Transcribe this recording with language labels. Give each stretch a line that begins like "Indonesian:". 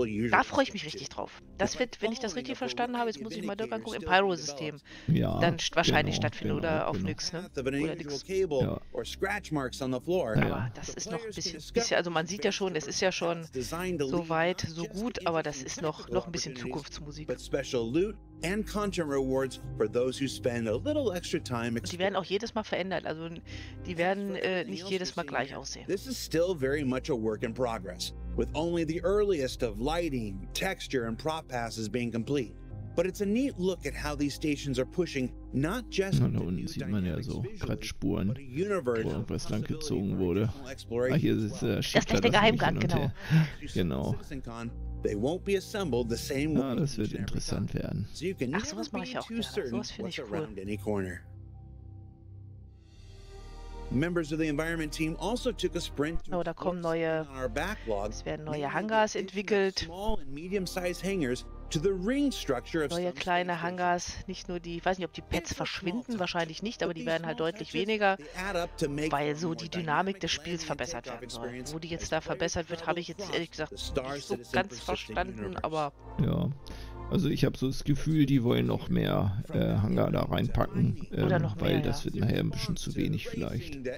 German: Da freue ich mich richtig drauf. Das wird, wenn ich das richtig verstanden habe, jetzt muss ich mal da gucken, im Pyro-System dann wahrscheinlich stattfinden oder auf Nyx. Ne? Aber das ist noch ein bisschen, also man sieht ja schon, es ist ja schon so weit, so gut, aber das ist noch ein bisschen Zukunftsmusik.
English: And content rewards for those who spend a little extra time.
German: Die werden auch jedes Mal verändert, also die werden nicht jedes Mal gleich aussehen.
English: This is still very much a work in progress, with only the earliest of lighting, texture and prop passes being complete. But it's a neat look at how these stations are pushing not just the new
German: sieht man ja so Kratzspuren, wo was lang gezogen wurde. Ah, hier ist der Schiebler, das Geheimgang, genau.
English: Genau. They won't be assembled the same way.
German: Das wird interessant werden. Ach, sowas mache ich auch gerne. Sowas finde ich cool.
English: Members of the environment team also took a sprint.
German: Oh, da kommen neue. Es werden neue Hangars entwickelt.
English: Small and medium-sized hangars to the ring structure of.
German: Neue kleine Hangars, nicht nur die, ich weiß nicht, ob die Pets verschwinden, wahrscheinlich nicht, aber die werden halt deutlich weniger, weil so die Dynamik des Spiels verbessert werden soll. Wo die jetzt da verbessert wird, habe ich jetzt ehrlich gesagt nicht so ganz verstanden, aber. Ja. Also ich habe so das Gefühl, die wollen noch mehr Hangar da reinpacken, weil das wird nachher ein bisschen zu wenig vielleicht.